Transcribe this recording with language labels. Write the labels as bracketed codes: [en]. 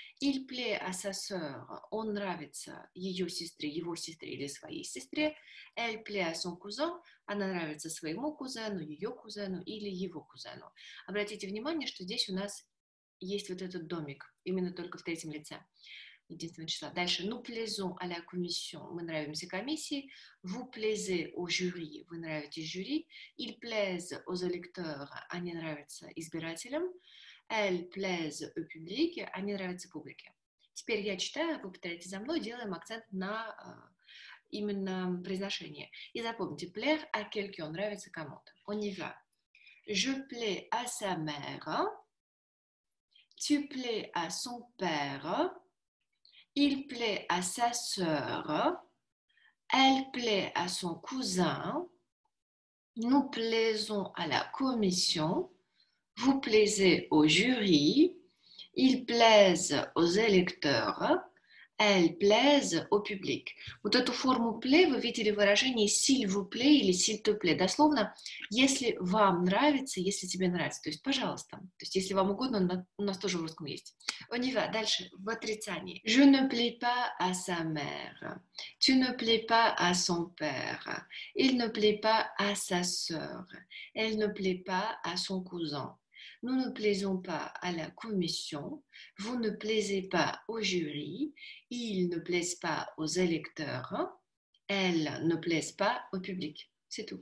[fr] Il plaît à sa sœur. [ru] Он нравится ее сестре, его сестре или своей сестре. [fr] Elle plaît à son cousin. [ru] Она нравится своему кузену, ее кузену или его кузену. Обратите внимание, что здесь у нас есть вот этот домик, именно только в третьем лице. Единственное число. Дальше. [fr] Nous plaisons à la commission. [ru] Мы нравимся комиссии. [fr] Vous plaisez au jury. [ru] Вы нравитесь жюри. [fr] Ils plaisent aux électeurs. [ru] Они нравятся избирателям. [fr] Elles plaisent au public. [ru] Они нравятся публике. Теперь я читаю, вы повторяете за мной, делаем акцент на именно произношение. И запомните. [fr] Plaire à quelqu'un. [ru] Нравится кому-то. [fr] On y va. Je plais à sa mère. Tu plais à son père. Il plaît à sa sœur, elle plaît à son cousin, nous plaisons à la commission, vous plaisez au jury, ils plaisent aux électeurs, elles plaisent au public. [ru] Вот эту форму «plaît» вы видели в выражении [fr] «s'il vous plaît» [ru] или [fr] «s'il te plaît». [ru] Дословно «если вам нравится», «если тебе нравится», то есть «пожалуйста». То есть «если вам угодно», у нас тоже в русском есть. [fr] On y va. [ru] Дальше. В отрицании. [fr] Je ne plais pas à sa mère. Tu ne plais pas à son père. Il ne plait pas à sa sœur. Elle ne plait pas à son cousin. Nous ne plaisons pas à la commission. Vous ne plaisez pas au jury. Ils ne plaisent pas aux électeurs. Elles ne plaisent pas au public. C'est tout.